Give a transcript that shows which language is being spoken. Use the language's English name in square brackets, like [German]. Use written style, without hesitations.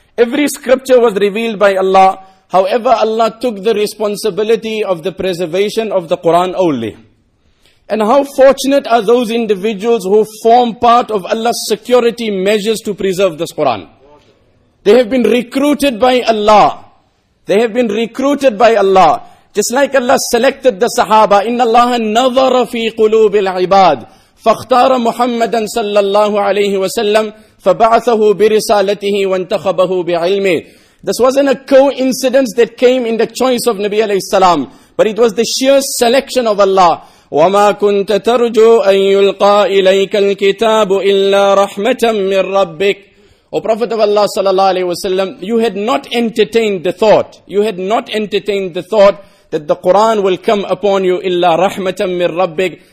[English] Every scripture was revealed by Allah, however Allah took the responsibility of the preservation of the Quran only. And how fortunate are those individuals who form part of Allah's security measures to preserve this Quran. They have been recruited by Allah. They have been recruited by Allah. Just like Allah selected the Sahaba, [Arabic] إِنَّ اللَّهَ نَظَرَ فِي قُلُوبِ الْعِبَادِ فَاخْتَارَ مُحَمَّدًا صَلَّى اللَّهُ عَلَيْهِ وَسَلَّمْ فَبَعَثَهُ بِرِسَالَتِهِ وَانْتَخَبَهُ بِعِلْمِهِ. [English] This wasn't a coincidence that came in the choice of Nabi alayhi salam, but it was the sheer selection of Allah. [Arabic] وَمَا كُنْتَ تَرْجُوْ أَن يُلْقَى إِلَيْكَ الْكِتَابُ إِلَّا رَحْمَةً مِّن رَبِّكَ. [English] O Prophet of Allah sallallahu alayhi wa sallam, you had not entertained the thought, you had not entertained the thought that the Quran will come upon you [Arabic] إِلَّا رَحْمَةً مِّن رَبِّكَ.